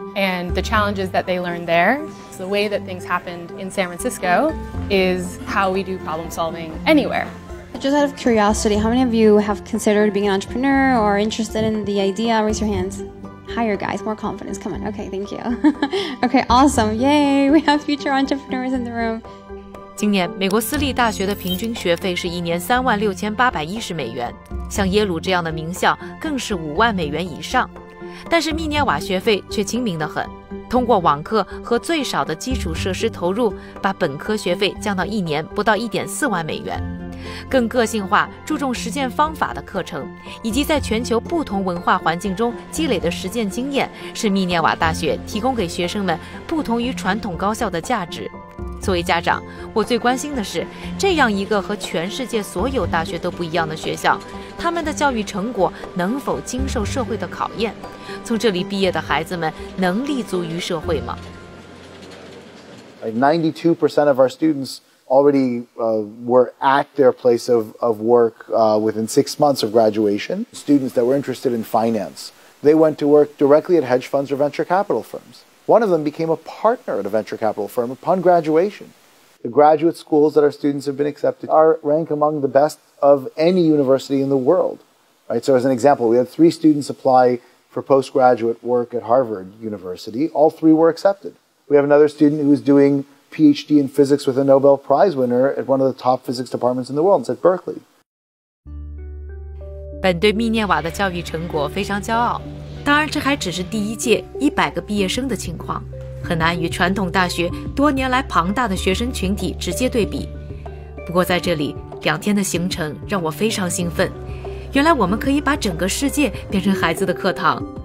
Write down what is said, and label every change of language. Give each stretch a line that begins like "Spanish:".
English: And the challenges that they learn there, so the way that things happened in San Francisco is how we do problem solving anywhere. Just out of curiosity, how many of you have considered being an entrepreneur or interested in the idea? Raise your hands. Higher, guys, more confidence, come on. Okay, thank you. Okay, awesome, yay, we have future entrepreneurs in the room.
Chinese: 今年美国私立大学的平均学费是一年36810美元，像耶鲁这样的名校更是50000美元以上，但是密涅瓦学费却亲民得很，通过网课和最少的基础设施投入，把本科学费降到一年不到1.4万美元，更个性化注重实践方法的课程，以及在全球不同文化环境中积累的实践经验，是密涅瓦大学提供给学生们不同于传统高校的价值。作为家长，我最关心的是这样一个和全世界所有大学都不一样的学校，他们的教育成果能否经受社会的考验，从这里毕业的孩子们能立足于社会吗？
English: 92% of our students already were at their place of work within 6 months of graduation. Students that were interested in finance, they went to work directly at hedge funds or venture capital firms. One of them became a partner at a venture capital firm upon graduation. The graduate schools that our students have been accepted are ranked among the best of any university in the world. Right? So as an example, we had 3 students apply for postgraduate work at Harvard University. All 3 were accepted. We have another student who is doing PhD in physics with a Nobel Prize winner at one of the top physics departments in the world, at Berkeley.
Chinese: 本对密涅瓦的教育成果非常骄傲。当然这还只是第一届100个毕业生的情况，很难与传统大学多年来庞大的学生群体直接对比。不过在这里两天的行程让我非常兴奋，原来我们可以把整个世界变成孩子的课堂。